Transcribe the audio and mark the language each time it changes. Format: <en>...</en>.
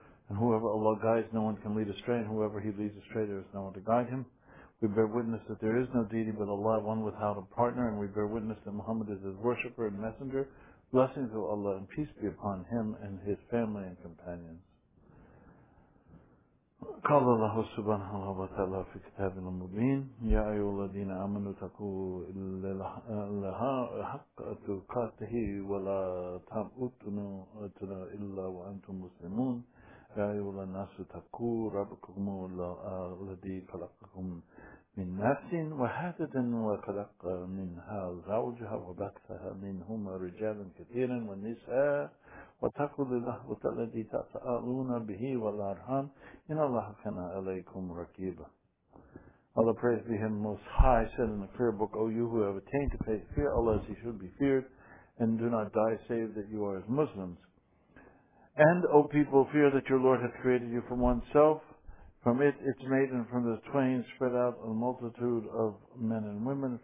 <en>And whoever Allah guides, no one can lead astray, and whoever He leads astray, there is no one to guide him. We bear witness that there is no deity but Allah, one without a partner, and we bear witness that Muhammad is His worshipper and messenger. Blessings of Allah and peace be upon him and his family and companions.</en> <ar>قال الله سبحانه وتعالى في كتابه المبين يا أيها الذين آمنوا اتقوا الله حق تقاته ولا تموتوا إلا وأنتم مسلمون يا أيها الناس اتقوا ربكم الذي خلقكم من نفس واحدة وخلق منها زوجها وبثها منهما رجالا كثيرا ونساء وتقول الله الذي تساءلون به والأرحام إن الله كان عليكم رقيبا.</ar> <en>Allah, praise be Him Most High, said in the prayer book, O you who have attained to faith, fear Allah as He should be feared, and do not die save that you are as Muslims. And, O people, fear that your Lord hath created you from oneself. From it its mate, and from the twain spread out a multitude of men and women.</en>